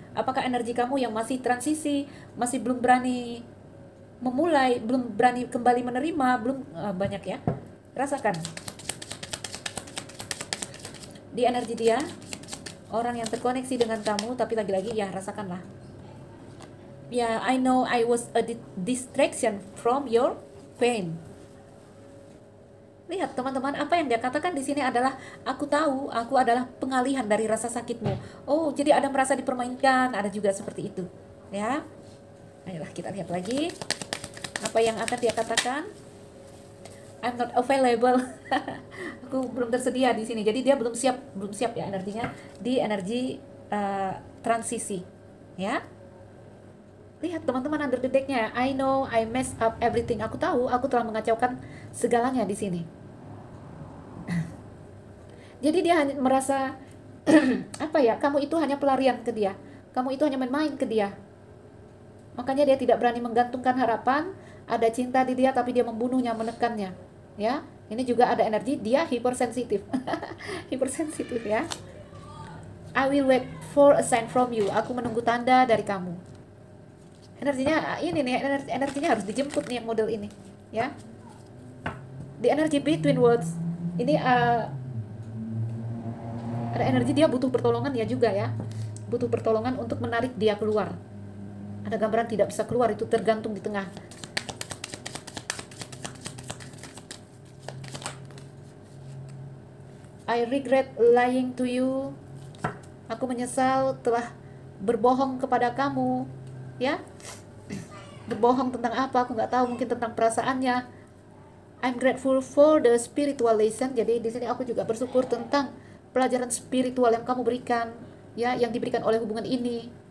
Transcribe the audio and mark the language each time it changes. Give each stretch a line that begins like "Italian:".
Indonesian: Apakah energi kamu yang masih transisi, masih belum berani memulai, belum berani kembali menerima, belum banyak ya? Rasakan. Di energi dia, orang yang terkoneksi dengan kamu, tapi lagi-lagi ya rasakanlah.
English: Ya, yeah, I know I was a distraction from your pain.
Indonesian: Lihat teman-teman, apa yang dia katakan di sini adalah aku tahu aku adalah pengalihan dari rasa sakitmu. Oh, jadi ada merasa dipermainkan, ada juga seperti itu. Ya. Ayolah kita lihat lagi. Apa yang akan dia katakan?
English: I'm not available.
Indonesian: Aku belum tersedia di sini. Jadi dia belum siap ya energinya di energi transisi. Ya. Lihat teman-teman under the deck-nya.
English: I know I mess up everything.
Indonesian: Aku tahu aku telah mengacaukan segalanya di sini. Jadi dia hanya merasa apa ya? Kamu itu hanya pelarian ke dia. Kamu itu hanya main-main ke dia. Makanya dia tidak berani menggantungkan harapan, ada cinta di dia tapi dia membunuhnya, menekannya. Ya. Ini juga ada energi dia hipersensitif. Hipersensitif ya.
English: I will wait for a sign from you.
Indonesian: Aku menunggu tanda dari kamu. Energinya ini nih, energinya harus dijemput nih model ini, ya. Di energi between worlds ini ada energi, dia butuh pertolongan ya juga ya, butuh pertolongan untuk menarik dia keluar. Ada gambaran tidak bisa keluar, itu tergantung di tengah.
English: I regret lying to you.
Indonesian: Aku menyesal telah berbohong kepada kamu, ya. Berbohong tentang apa? Aku nggak tahu. Mungkin tentang perasaannya.
English: I'm grateful for the spiritual lesson.
Indonesian: Jadi di sini aku juga bersyukur tentang pelajaran spiritual yang kamu berikan, ya, yang diberikan oleh hubungan ini.